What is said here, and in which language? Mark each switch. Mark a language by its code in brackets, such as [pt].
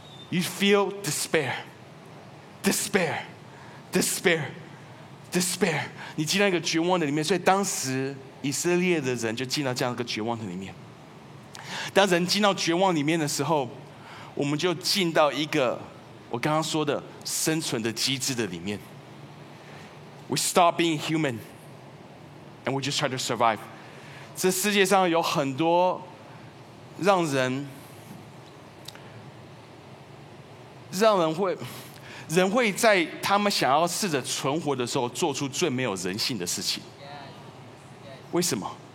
[en] You feel despair， [zh] 你进到一个绝望的里面。所以当时以色列的人就进到这样一个绝望的里面。当人进到绝望里面的时候，我们就进到一个我刚刚说的生存的机制的里面。 [en] We stop being human, and we just try to survive. [zh] 这世界上有很多让人会，人会在他们想要试着存活的时候做出最没有人性的事情。为什么？